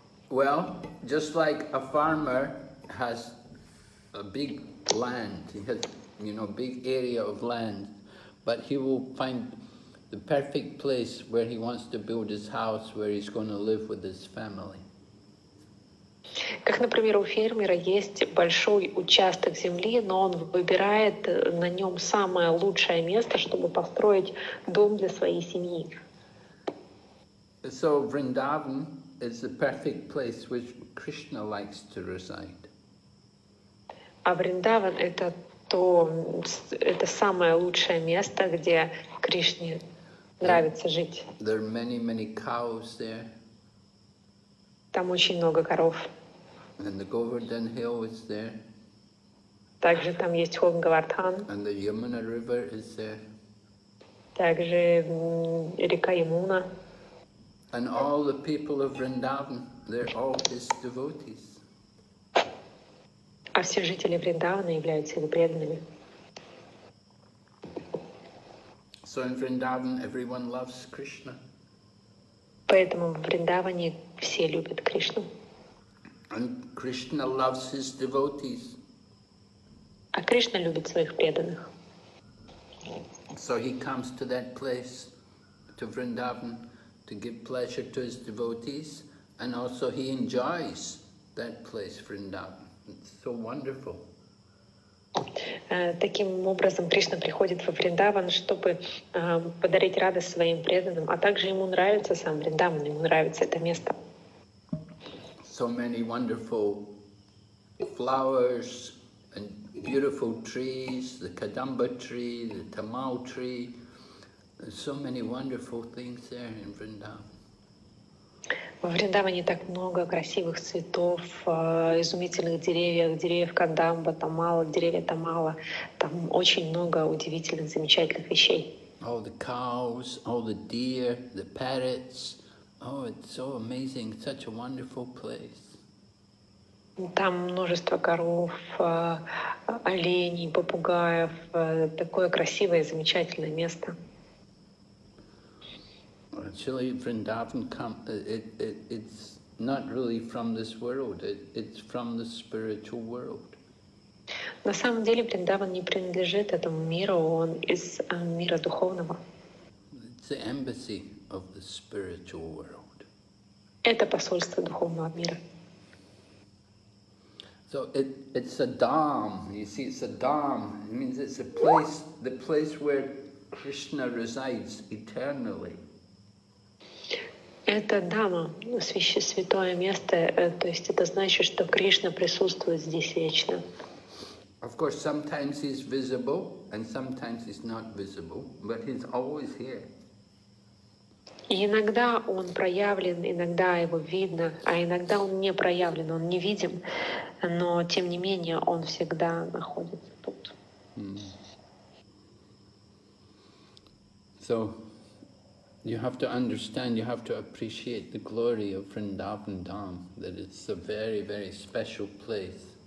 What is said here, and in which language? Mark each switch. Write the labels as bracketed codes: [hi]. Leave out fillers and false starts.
[en] Well, just like a farmer has a big land, he has, you know, big area of land, but he will find the perfect place where he wants to build his house, where he's going to live with his family. [ru] Как, например, у фермера есть большой участок земли, но он выбирает на нем самое лучшее место, чтобы построить дом для своей семьи. [en] So Vrindavan is the perfect place which Krishna likes to reside. [ru] А Вриндаван это самое лучшее место, где Кришне нравится жить. [en] There are many, many cows there. [ru] Там очень много коров. [en] And the Govardhan Hill is there. [ru] Также там есть холм Говардхан. [en] And the Yamuna River is there. [ru] Также река Ямуна. [en] And all the people of Vrindavan, they're all his devotees. [ru] А все жители Вриндавана являются его преданными. [en] So in Vrindavan, everyone loves Krishna. [ru] Поэтому в Вриндаване все любят Кришну. [en] And Krishna loves his devotees. [ru] А Кришна любит своих преданных. [en] So he comes to that place, to Vrindavan, to give pleasure to his devotees And also he enjoys that place, Vrindavan. It's so wonderful. [ru] Таким образом Кришна приходит во Вриндаван, чтобы подарить радость своим преданным, а также ему нравится сам Вриндаван, ему нравится это место. [en] So many wonderful flowers and beautiful trees, the Kadamba tree, the Tamal tree. There's so many wonderful things there in Vrindavan. [ru] Во Вриндаване так много красивых цветов, изумительных деревьев, деревьев кандамба, тамала, деревья тамала. Там очень много удивительных, замечательных вещей. [en] All the cows, all the deer, the parrots. Oh, it's so amazing, such a wonderful place. [ru] Там множество коров, оленей, попугаев. Такое красивое, замечательное место. [en] Actually, Vrindavan, it's not really from this world. It's from the spiritual world. [ru] На самом деле, Вриндаван не принадлежит этому миру. Он из мира духовного. [en] It's the embassy of the spiritual world. [ru] Это посольство духовного мира. [en] So it's a dham. You see, it's a dham. It means it's a place, the place where Krishna resides eternally. [ru] Это дама, святое место, то есть это значит, что Кришна присутствует здесь вечно. [en] Of course, sometimes he's visible and sometimes he's not visible, but he's always here. [ru] И иногда он проявлен, иногда его видно, а иногда он не проявлен, он невидим, но тем не менее он всегда находится тут. [en] So you have to understand, you have to appreciate the glory of Vrindavan Dham, that it's a very, very special place.